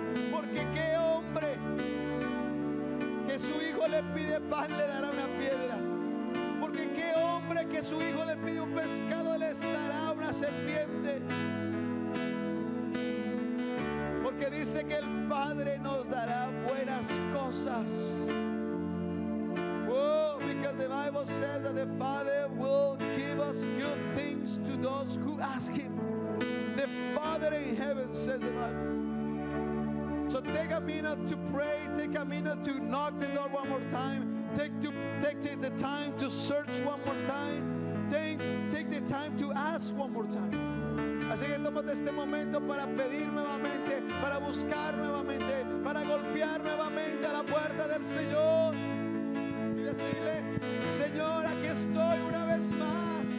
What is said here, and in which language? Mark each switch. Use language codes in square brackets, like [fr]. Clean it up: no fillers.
[es] Porque qué hombre que su hijo le pide pan le dará una piedra. Porque qué hombre que su hijo le pide un pescado le dará una serpiente. Porque dice que el Padre nos dará buenas cosas. [en] Oh, because the Bible says that the Father will give us good things to those who ask Him. The Father in heaven, says the Bible. So take a minute to pray. Take a minute to knock the door one more time. Take the time to search one more time. Take the time to ask one more time. [es] Así que tómate este momento para pedir nuevamente, para buscar nuevamente, para golpear nuevamente a la puerta del Señor. Y decirle, Señor, aquí estoy una vez más.